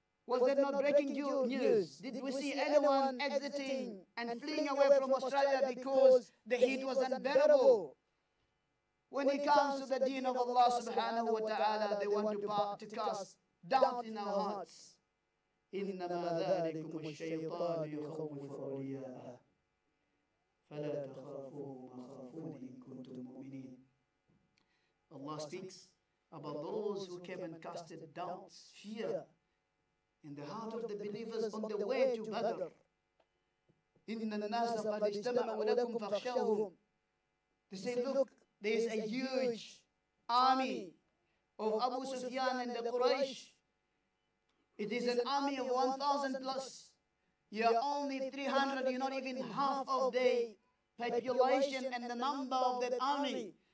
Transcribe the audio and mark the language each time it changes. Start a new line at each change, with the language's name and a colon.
English: Was that not breaking news? Did we see anyone exiting and fleeing away from Australia because the heat was unbearable? When it comes to the deen of Allah subhanahu wa ta'ala, they want to cast doubt in our hearts.
Arabic: إنما ذلكم الشيطان يخوف أولياءه فلا تخافوهم وخافون إن كنتم مؤمنين.
English: Allah speaks about those who came and casted doubts, fear in the heart of the believers on the way to Badr.
Arabic: إن الناس قد اجتمعوا لكم فاخشوهم.
English: They say, look, there is a huge army of Abu Sufyan and the Quraysh. It is an army of 1,000 plus. You are only 300, you're not even half of the population and the number of that army.